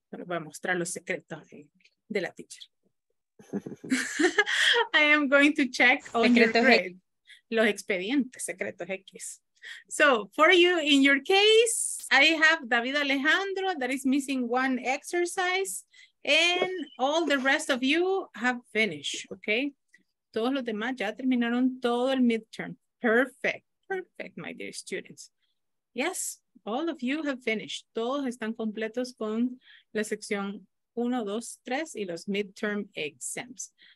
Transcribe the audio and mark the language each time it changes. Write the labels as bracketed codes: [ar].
[es] Pero voy a mostrar los secretos de la teacher. [en] I am going to check all secretos your grades. [es] Los expedientes secretos X. [en] So for you, in your case, I have David Alejandro that is missing one exercise and all the rest of you have finished, okay? [es] Todos los demás ya terminaron todo el midterm. [en] Perfect, perfect, my dear students. Yes, all of you have finished. [es] Todos están completos con la sección 1, 2, 3 y los midterm exams.